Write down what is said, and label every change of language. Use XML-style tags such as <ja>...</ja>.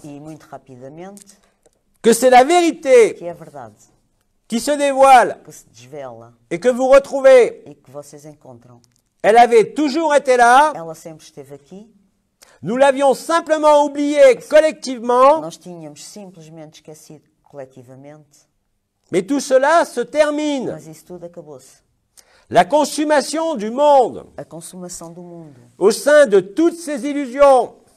<pt>E muito rapidamente.</pt> <fr>Que c'est la vérité.</fr> <pt>Que é a verdade.</pt> <fr>Qui se dévoile.</fr> <pt>Que se desvela.</pt> <fr>Et que vous retrouvez.</fr> <pt>E que vocês encontram.</pt> <fr>Elle avait toujours été là.</fr> <pt>Ela sempre esteve aqui.</pt> <fr>Nous l'avions simplement oublié collectivement.</fr> <pt>Nós tínhamos simplesmente esquecido coletivamente.</pt> <fr>Mais tout cela se termine.</fr> <pt>Mas isso tudo acabou-se.</pt> <fr>La consommation du monde.</fr> <pt>A consumação do mundo.</pt> <fr>Au sein de toutes ces illusions.</fr>